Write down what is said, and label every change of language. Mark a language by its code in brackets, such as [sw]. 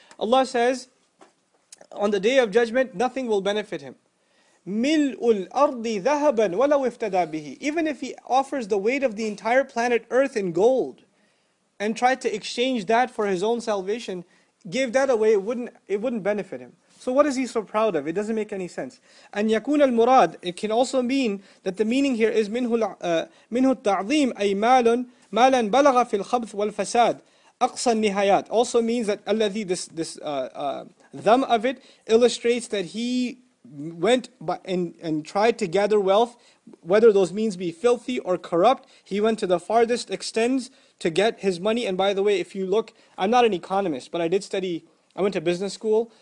[en] Allah says, on the Day of Judgment, nothing will benefit him. [ar] مِلْءُ الْأَرْضِ ذَهَبًا وَلَوْ افْتَدَى بِهِ. [en] Even if he offers the weight of the entire planet Earth in gold and tried to exchange that for his own salvation, gave that away, it wouldn't benefit him. So what is he so proud of? It doesn't make any sense. [ar] And يكون المراد, [en] it can also mean that the meaning here is [ar] منه التعظيم أي مالا بلغ في الخبث والفساد أقصى النهايات. [en] Also means that الذي, this thumb of it illustrates that he went by and tried to gather wealth, whether those means be filthy or corrupt, he went to the farthest extents to get his money. And by the way, if you look, I'm not an economist, but I went to business school.